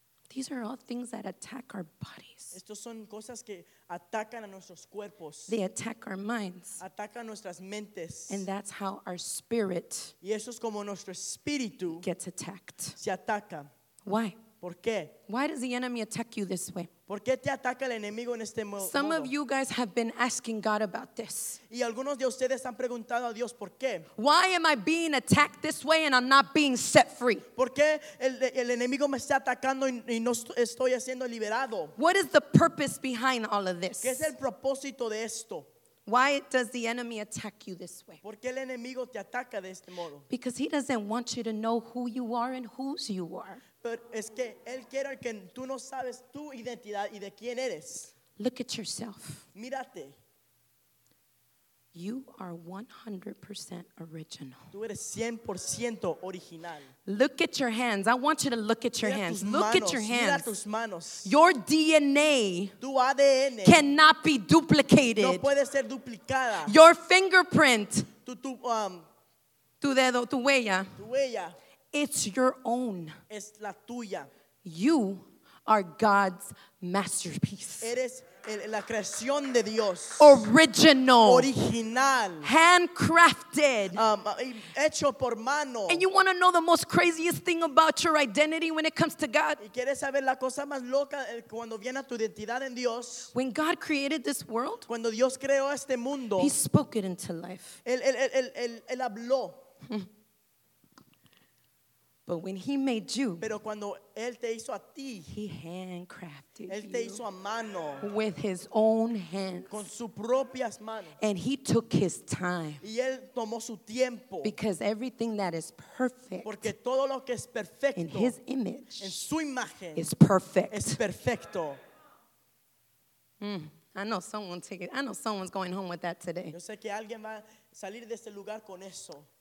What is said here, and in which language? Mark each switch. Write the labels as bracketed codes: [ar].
[en] These are all things that attack our bodies. [es] Estos son cosas que atacan a nuestros cuerpos. [en] They attack our minds. [es] Atacan nuestras mentes. [en] And that's how our spirit [es] y eso es como nuestro espíritu [en] gets attacked. [es] Se ataca. [en] Why? [es] ¿Por qué? [en] Why does the enemy attack you this way? [es] ¿Por qué te ataca el enemigo en este modo? [en] Some of you guys have been asking God about this. [es] Y algunos de ustedes han preguntado a Dios, ¿por qué? [en] Why am I being attacked this way and I'm not being set free? [es] ¿Por qué el enemigo me está atacando y no estoy siendo liberado? [en] What is the purpose behind all of this? [es] ¿Qué es el propósito de esto? [en] Why does the enemy attack you this way? [es] ¿Por qué el enemigo te ataca de este modo? [en] Because he doesn't want you to know who you are and whose you are. [es] Pero es que él quiere que tú no sabes tu identidad y de quién eres. [en] Look at yourself. [es] Mírate. [en] You are 100% original. [es] Tú eres 100% original. [en] Look at your hands. I want you to look at your [es] mira [en] hands. [es] Tus [en] look [es] manos, [en] at your hands. [es] Mira tus manos. [en] Your DNA, [es] tu ADN, [en] cannot be duplicated. [es] No puede ser duplicada. [en] Your fingerprint, [es] tu dedo, tu huella. Tu huella. [en] It's your own. [es] Es la tuya. [en] You are God's masterpiece. [es] Eres la creación de Dios. [en] Original. [es] Original. [en] Handcrafted. [es] Hecho por mano. [en] And you want to know the most craziest thing about your identity when it comes to God? [es] ¿Y quieres saber la cosa más loca cuando viene a tu identidad en Dios? [en] When God created this world, [es] cuando Dios creó este mundo, [en] He spoke it into life. [es] Él habló. [en] But when he made you, [es] pero cuando él te hizo a ti, [en] he handcrafted [es] él te [en] you [es] hizo a mano, [en] with his own hands. [es] Con sus propias manos. [en] And he took his time. [es] Y él tomó su tiempo. [en] Because everything that is perfect, [es] porque todo lo que es perfecto, [en] in his image, [es] en su imagen, [en] is perfect. [es] Es perfecto. [en] I know someone's going home with that today. [es] Yo sé que alguien va a salir de este lugar con eso.